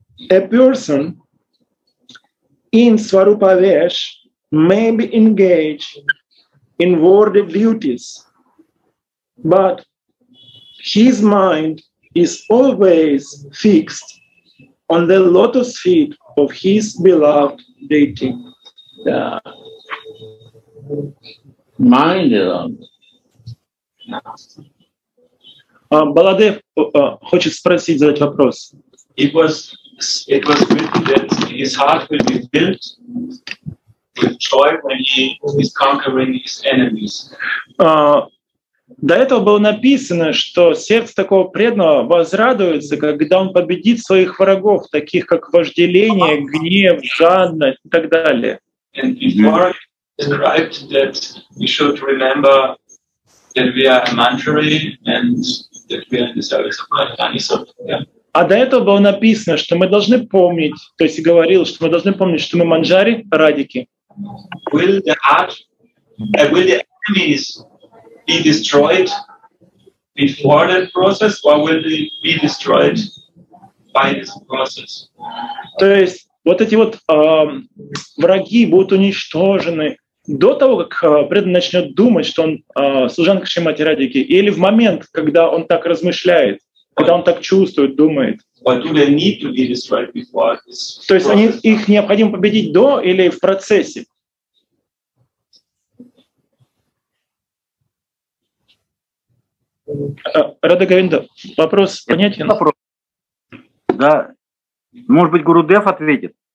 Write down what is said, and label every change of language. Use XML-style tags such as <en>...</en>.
<en>A person in Swarupa Vesh may be engaged in worldly duties, but his mind is always fixed on the lotus feet of his beloved deity. The mind alone.</en> <ru>Баладев хочет спросить, задать вопрос.</ru> <en>It was written that his heart will be filled with joy when he is conquering his enemies.</en> <ru>До этого было написано, что сердце такого преданного возрадуется, когда он победит своих врагов, таких как вожделение, гнев, жадность и так далее.</ru> <en>And before I described that we should remember that we are a mantra and that we are in the service of Mahayanisov.</en> <ru>А до этого было написано, что мы должны помнить, то есть говорил, что мы должны помнить, что мы манджари, радики.</ru> <en>Will the heart, will the enemies be destroyed before that process, or will they be destroyed by this process?</en> <ru>То есть вот эти вот враги будут уничтожены до того, как преданный начнет думать, что он служанка Шримати Радики, или в момент, когда он так размышляет, когда он так чувствует, думает.</ru> <en>But do they need to be destroyed before this process?</en> <ru>То есть они, их необходимо победить до или в процессе? Рада Говинда, вопрос понятен? Вопрос. Да. Может быть, Гурудев ответит?</ru>